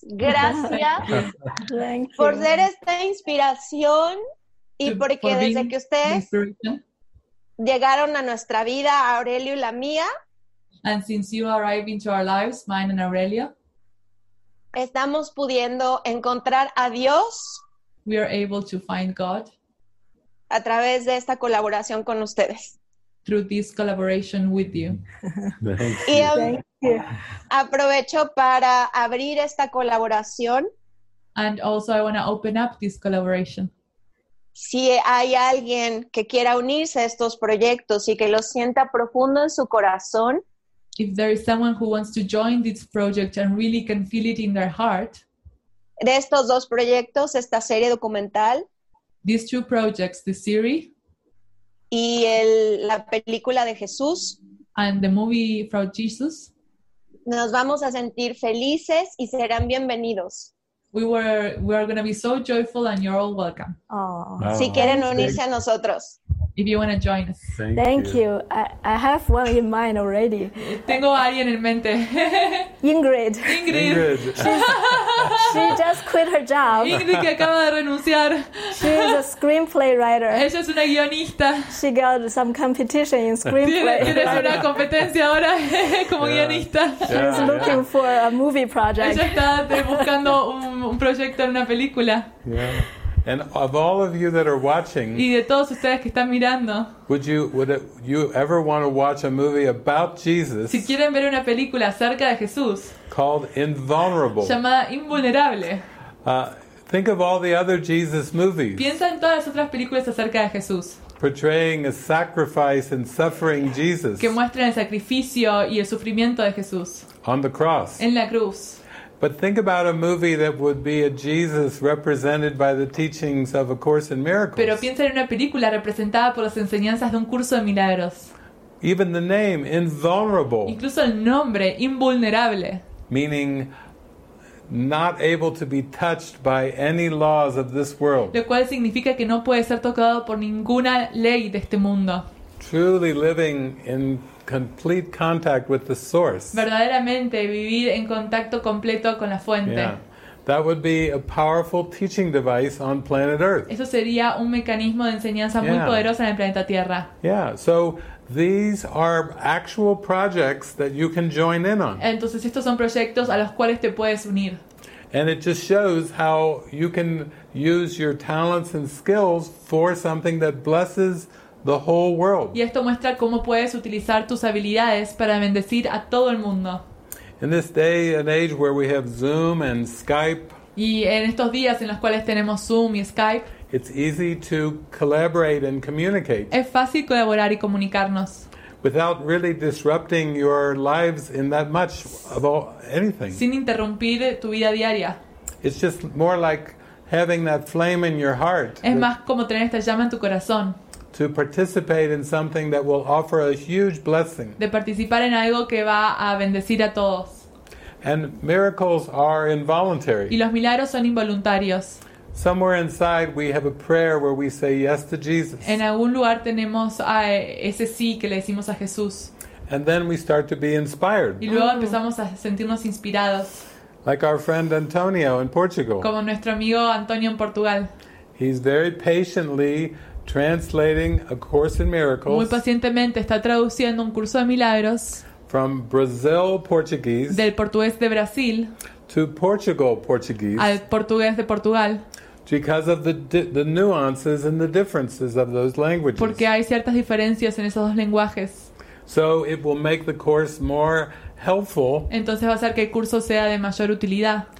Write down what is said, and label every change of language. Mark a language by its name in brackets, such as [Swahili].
[Spanish] Gracias por ser esta inspiración y porque desde que ustedes llegaron a nuestra vida, Aurelio y la mía. [English] And since you arrived into our lives, mine and Aurelio, [Spanish] estamos pudiendo encontrar a Dios. [English] We are able to find God. [Spanish] A través de esta colaboración con ustedes. [English] Through this collaboration with you. Thank you. [Spanish] Aprovecho para abrir esta colaboración. [English] And also I want to open up this collaboration. [Spanish] Si hay alguien que quiera unirse a estos proyectos y que lo sienta profundo en su corazón. [English] If there is someone who wants to join this project and really can feel it in their heart. [Spanish] De estos dos proyectos, esta serie documental. [English] These two projects, the series. [Spanish] Y la película de Jesús. [English] And the movie from Jesus. [Spanish] Nos vamos a sentir felices y serán bienvenidos. [English] We are going to be so joyful and you're all welcome. Oh. Wow. [Spanish] Si quieren unirse a nosotros. [English] If you want to join us. Thank you. I have one in mind already. [Spanish] Tengo alguien en mente. Ingrid. Ingrid. [English] She just quit her job. [Spanish] Ingrid que acaba de renunciar. [English] She is a screenplay writer. [Spanish] Ella es una guionista. [English] She got some competition in screenplay. [Spanish] Tienes una competencia ahora como guionista. [English] Yeah. She's looking for a movie project. [Spanish] Ella está buscando un proyecto en una película. [English] Yeah. And of all of you that are watching, [Spanish] y de todos ustedes que están mirando, [English] would you ever want to watch a movie about Jesus? [Spanish] Si quieren ver una película acerca de Jesús, [English] called Invulnerable. [Spanish] Llamada Invulnerable. [English] Think of all the other Jesus movies. [Spanish] Piensa en todas las otras películas acerca de Jesús. [English] Portraying a sacrifice and suffering Jesus. [Spanish] Que muestran el sacrificio y el sufrimiento de Jesús. [English] On the cross. [Spanish] En la cruz. [English] But think about a movie that would be a Jesus represented by the teachings of A Course in Miracles. [Spanish] Pero piensa en una película representada por las enseñanzas de Un Curso de Milagros. [English] Even the name, Invulnerable. [Spanish] Incluso el nombre, Invulnerable. [English] Meaning, not able to be touched by any laws of this world. [Spanish] Lo cual significa que no puede ser tocado por ninguna ley de este mundo. [English] Truly living in complete contact with the source. [Spanish] Verdaderamente vivir en contacto completo con la fuente. [English] Yeah. That would be a powerful teaching device on planet Earth. [Spanish] Eso sería un mecanismo de enseñanza muy poderoso en el planeta Tierra. [English] Yeah, so these are actual projects that you can join in on. [Spanish] Entonces estos son proyectos a los cuales te puedes unir. [English] And it just shows how you can use your talents and skills for something that blesses the whole world. [Spanish] Y esto muestra cómo puedes utilizar tus habilidades para bendecir a todo el mundo. [English] In this day and age where we have Zoom and Skype, [Spanish] y en estos días en los cuales tenemos Zoom y Skype, [English] it's easy to collaborate and communicate. [Spanish] Es fácil colaborar y comunicarnos. [English] Without really disrupting your lives in that much of all, anything. [Spanish] Sin interrumpir tu vida diaria. [English] It's just more like having that flame in your heart. [Spanish] Es más como tener esta llama en tu corazón. [English] To participate in something that will offer a huge blessing. [Spanish] De participar en algo que va a bendecir a todos. [English] And miracles are involuntary. [Spanish] Y los milagros son involuntarios. [English] Somewhere inside we have a prayer where we say yes to Jesus. [Spanish] En algún lugar tenemos ese sí que le decimos a Jesús. [English] And then we start to be inspired. [Spanish] Y luego empezamos a sentirnos inspirados. [English] Like our friend Antonio in Portugal. [Spanish] Como nuestro amigo Antonio en Portugal. [English] He's very patiently translating A Course in Miracles. [Spanish] Muy pacientemente está traduciendo Un Curso de Milagros. [English] From Brazil Portuguese. [Spanish] Del portugués de Brasil. [English] To Portugal Portuguese. [Spanish] Al portugués de Portugal. [English] Because of the nuances and the differences of those languages. [Spanish] Porque hay ciertas diferencias en esos dos lenguajes. [English] So it will make the course more helpful. [Spanish] Entonces va a hacer que el curso sea de mayor utilidad.